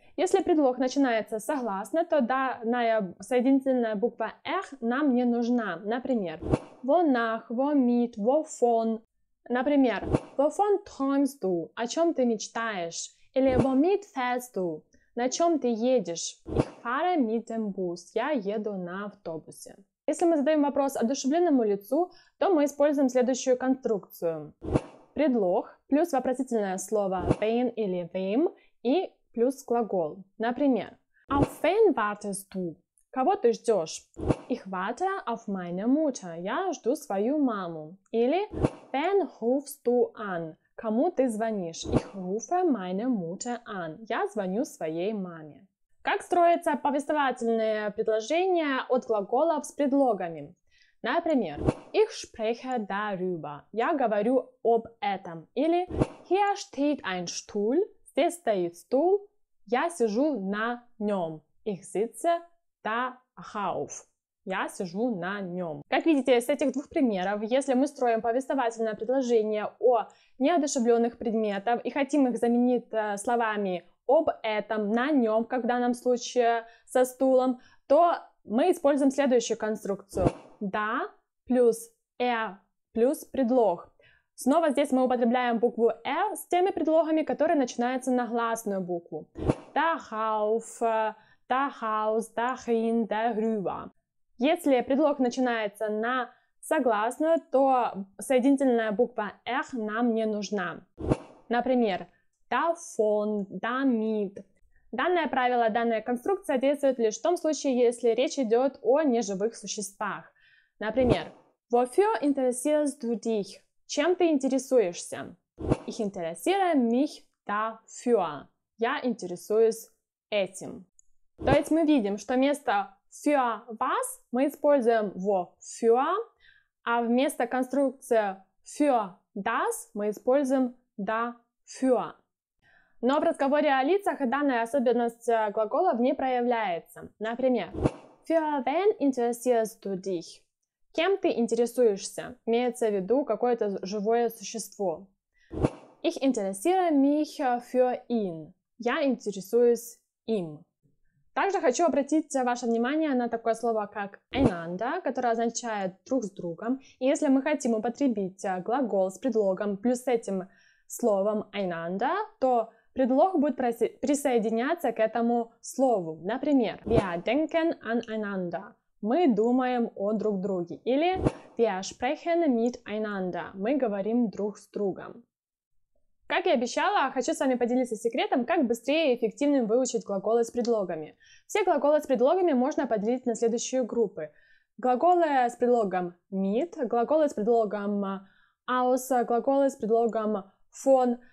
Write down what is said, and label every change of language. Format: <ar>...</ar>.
<ru>Если предлог начинается согласно, то данная соединительная буква «эх» нам не нужна. Например, «вонах», «вомит», «вофон». Например, «вофон</ru> <de>träumst du»</de> <ru>– о чем ты мечтаешь. Или «вомит</ru> <de>fährst du»</de> <ru>– на чем ты едешь.</ru> <de>«Ich fahre mit dem Bus» –</de> <ru>я еду на автобусе. Если мы задаем вопрос одушевленному лицу, то мы используем следующую конструкцию. Предлог плюс вопросительное слово «wen» или «wem» и плюс глагол.</ru> <de>Например, auf wen wartest du?</de> <ru>Кого ты ждешь?</ru> <de>Ich warte auf meine Mutter.</de> <ru>Я жду свою маму.</ru> <de>Или wen rufst du an?</de> <ru>Кому ты звонишь?</ru> <de>Ich rufe meine Mutter an.</de> <ru>Я звоню своей маме. Как строятся повествовательные предложения от глаголов с предлогами?</ru> <de>Например, ich spreche darüber.</de> <ru>Я говорю об этом.</ru> <de>Или hier steht ein Stuhl.</de> <ru>Здесь стоит стул, я сижу на нем.</ru> <de>Ich sitze da auf.</de> <ru>Я сижу на нем. Как видите, с этих двух примеров, если мы строим повествовательное предложение о неодушевленных предметах и хотим их заменить словами об этом, на нем, как в данном случае со стулом, то мы используем следующую конструкцию. Da плюс er плюс предлог. Снова здесь мы употребляем букву «э» с теми предлогами, которые начинаются на гласную букву.</ru> <de>«Dahauf», «dahaus», «dahin», «darüber».</de> <ru>Если предлог начинается на согласную, то соединительная буква «эх» нам не нужна.</ru> <de>Например, «davon», «damit».</de> <ru>Данное правило, данная конструкция действует лишь в том случае, если речь идет о неживых существах.</ru> <de>Например, «wofür interessierst du dich?»</de> <ru>Чем ты интересуешься?</ru> <de>Ich interessiere mich dafür.</de> <ru>Я интересуюсь этим. То есть мы видим, что вместо</ru> <de>für was</de> <ru>мы используем</ru> <de>wofür,</de> <ru>а вместо конструкции</ru> <de>für das</de> <ru>мы используем</ru> <de>dafür.</de> <ru>Но в разговоре о лицах данная особенность глаголов не проявляется.</ru> <de>Например, für wen interessierst du dich?</de> <ru>Кем ты интересуешься? Имеется в виду какое-то живое существо.</ru> <de>Ich interessiere mich für ihn.</de> <ru>Я интересуюсь им. Также хочу обратить ваше внимание на такое слово, как einander, которое означает друг с другом. И если мы хотим употребить глагол с предлогом плюс этим словом einander, то предлог будет присоединяться к этому слову.</ru> <de>Например, wir denken an einander.</de> <ru>Мы думаем о друг друге.</ru> <de>Или wir sprechen miteinander.</de> <ru>Мы говорим друг с другом. Как и обещала, хочу с вами поделиться секретом, как быстрее и эффективнее выучить глаголы с предлогами. Все глаголы с предлогами можно поделить на следующие группы. Глаголы с предлогом mit, глаголы с предлогом aus, глаголы с предлогом von.</ru>